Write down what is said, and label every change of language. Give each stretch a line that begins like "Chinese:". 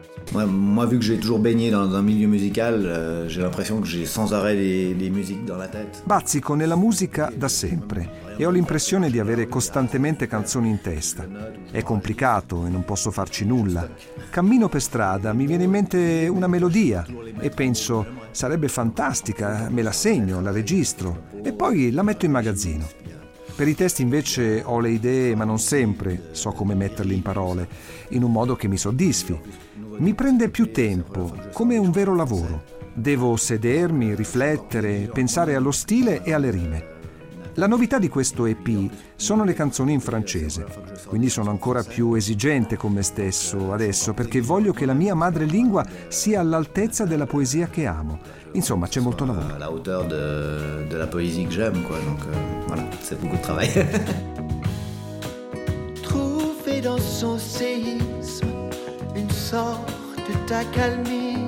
French: Moi, vu que j'ai toujours baigné dans un milieu musical, j'ai l'impression que j'ai sans arrêt les musiques dans la tête.
Italian: Bazzico nella musica da sempre e ho l'impressione di avere costantemente canzoni in testa. È complicato e non posso farci nulla. Cammino per strada, mi viene in mente una melodia e penso, sarebbe fantastica, me la segno, la registro e poi la metto in magazzino. Per i testi invece ho le idee, ma non sempre so come metterle in parole, in un modo che mi soddisfi. Mi prende più tempo, come un vero lavoro. Devo sedermi, riflettere, pensare allo stile e alle rime. La novità di questo EP sono le canzoni in francese, quindi sono ancora più esigente con me stesso adesso, perché voglio che la mia madrelingua sia all'altezza della poesia che amo. Insomma, c'è molto lavoro.
French: La hauteur de la
Italian: poesia che
French: j'aime, quoi. Donc, voilà, c'est beaucoup de travail. Trouvé dans son séisme une sorte d'accalmie.